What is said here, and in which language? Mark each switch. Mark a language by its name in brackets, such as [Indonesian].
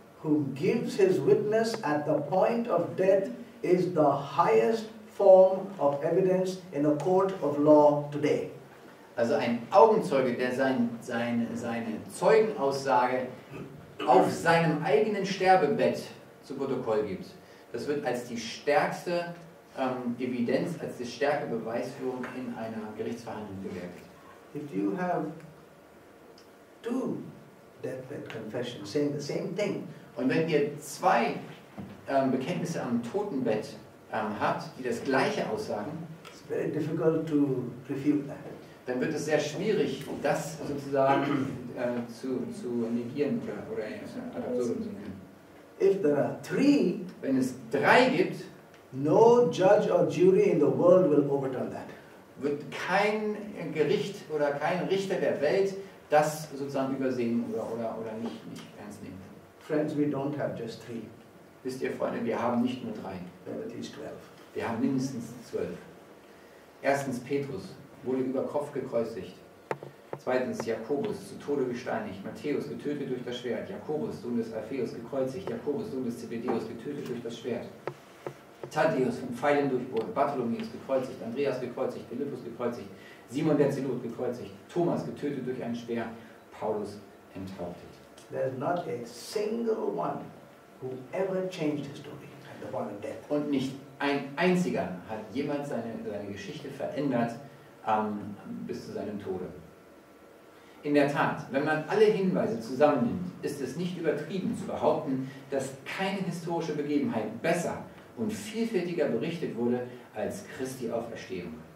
[English] who gives his witness at the point of death, is the highest form of evidence in a court of law today. [German] Also ein Augenzeuge, der seine Zeugenaussage auf seinem eigenen Sterbebett zu Protokoll gibt. Das wird als die stärkste Evidenz, als die stärkste Beweisführung in einer Gerichtsverhandlung gewertet. [English] If you have two deathbed confessions saying the same thing, [German] und wenn ihr zwei Bekenntnisse am Totenbett habt, die das gleiche aussagen, [English] it's very difficult to refute that. [German] Dann wird es sehr schwierig, das sozusagen zu negieren oder absurd zu nennen. [English] If there are three, [German] wenn es drei gibt, [English] no judge or jury in the world will overturn that. [German] Wird kein Gericht oder kein Richter der Welt das sozusagen übersehen oder nicht ernst nehmen. [English] Friends, we don't have just three. [German] Wisst ihr, Freunde, wir haben nicht nur drei. [English] At least 12. [German] Wir haben mindestens 12. Erstens Petrus wurde über Kopf gekreuzigt. Zweitens Jakobus zu Tode gesteinigt. Matthäus getötet durch das Schwert. Jakobus, Sohn des Alpheus, gekreuzigt. Jakobus, Sohn des Zebedeus, getötet durch das Schwert. Thaddäus vom Pfeilen durchbohrt. Bartholomäus gekreuzigt. Andreas gekreuzigt. Philippus gekreuzigt. Simon der Zelot gekreuzigt. Thomas getötet durch einen Speer. Paulus enthauptet. [English] There's not a single one who ever changed his story at the point of death. [German] Und nicht ein einziger hat jemals seine Geschichte verändert bis zu seinem Tode. In der Tat, wenn man alle Hinweise zusammennimmt, ist es nicht übertrieben zu behaupten, dass keine historische Begebenheit besser und vielfältiger berichtet wurde als Christi Auferstehung.